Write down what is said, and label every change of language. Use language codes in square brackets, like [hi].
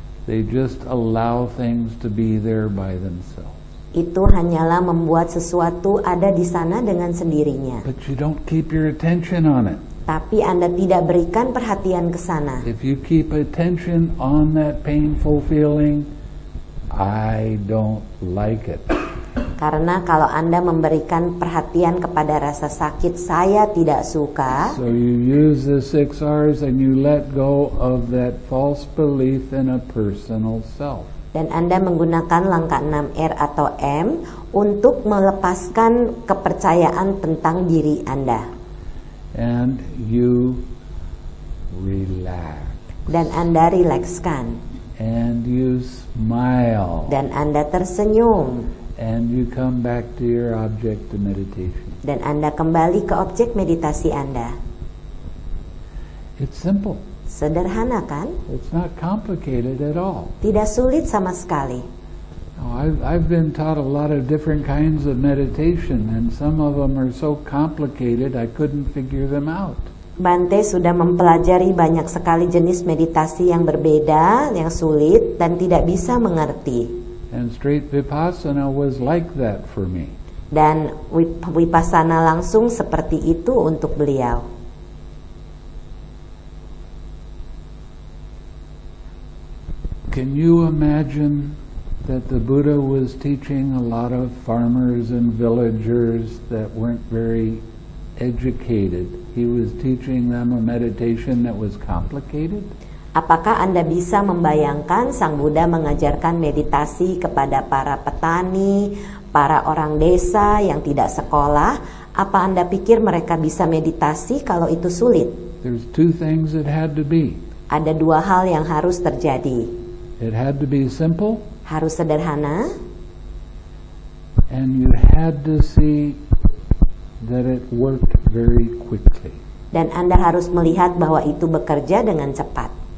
[en] They just allow things to be there by themselves. [id] Itu hanyalah membuat sesuatu ada di sana dengan sendirinya. [en] But you don't keep your attention on it. [id] Tapi Anda tidak berikan perhatian ke sana. [en] If you keep attention on that painful feeling, I don't like it. [id] Karena kalau Anda memberikan perhatian kepada rasa sakit, saya tidak suka. [en] So you use the six R's and you let go of that false belief in a personal self. [id] Dan Anda menggunakan langkah 6 R atau M untuk melepaskan kepercayaan tentang diri Anda. [en] And you relax. [id] Dan Anda rilekskan. [en] And you smile. [id] Dan Anda tersenyum. [en] And you come back to your object of meditation. [id] Dan Anda kembali ke objek meditasi Anda. [en] It's simple. [id] Sederhana kan? [en] It's not complicated at all. [id] Tidak sulit sama sekali. [en] Now, I've been taught a lot of different kinds of meditation, and some of them are so complicated I couldn't figure them out. [id] Bante sudah mempelajari banyak sekali jenis meditasi yang berbeda, yang sulit, dan tidak bisa mengerti. [en] And straight vipassana was like that for me. [id] Dan vipassana langsung seperti itu untuk beliau. [en] Can you imagine that the Buddha was teaching a lot of farmers and villagers that weren't very educated? He was teaching them a meditation that was complicated. [id] Apakah Anda bisa membayangkan Sang Buddha mengajarkan meditasi kepada para petani, para orang desa yang tidak sekolah? Apa Anda pikir mereka bisa meditasi kalau itu sulit? [en] There's two things that had to be. [id] Ada dua hal yang harus terjadi. [en] It had to be simple. [id] Harus sederhana. [en] And you had to see that it worked very quickly. [id] Dan Anda harus melihat bahwa itu bekerja dengan cepat.